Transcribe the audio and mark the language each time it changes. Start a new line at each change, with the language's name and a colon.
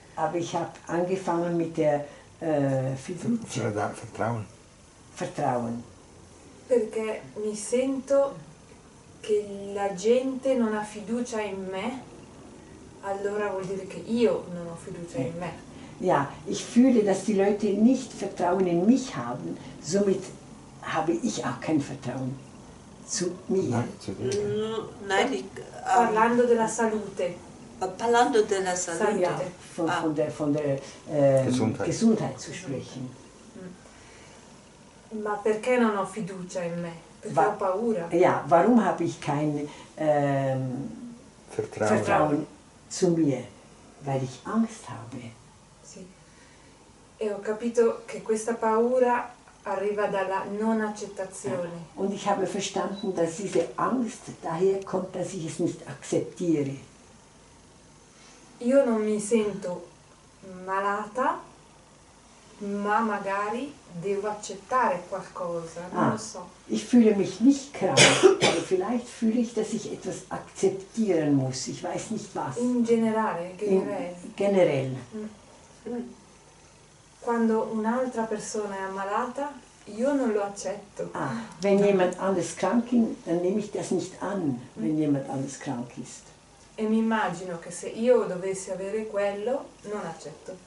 German: Aber ich habe angefangen mit der Fiducia. Strada, Vertrauen. Vertrauen.
Italian: Perché mi sento che la gente non ha fiducia in me, allora vuol dire che io non ho fiducia in me.
German: Ja, ich fühle, dass die Leute nicht Vertrauen in mich haben, somit habe ich auch kein Vertrauen zu mir. Nein, zu dir. Nein,
Italian: parlando della salute. Parlando della salute.
German: Ja, von der Gesundheit. Gesundheit zu sprechen.
Italian: Ma perché non ho fiducia in me? Perché ho paura.
German: Ja, warum habe ich kein Vertrauen zu mir? Weil ich Angst habe.
Italian: E ho capito che questa paura arriva dalla non accettazione.
German: Und ich habe verstanden, dass diese Angst daher kommt, dass ich es nicht akzeptiere.
Italian: Io non mi sento malata, ma magari devo accettare qualcosa, non lo so.
German: Ich fühle mich nicht krank, aber vielleicht fühle ich, dass ich etwas akzeptieren muss. Ich weiß nicht was.
Italian: In generale,
German: generell.
Italian: Quando un'altra persona è ammalata, io non lo accetto.
German: Ah, wenn jemand anders krank ist, dann nehme ich das nicht an, wenn jemand anders krank ist.
Italian: E mi immagino che se io dovessi avere quello, non accetto.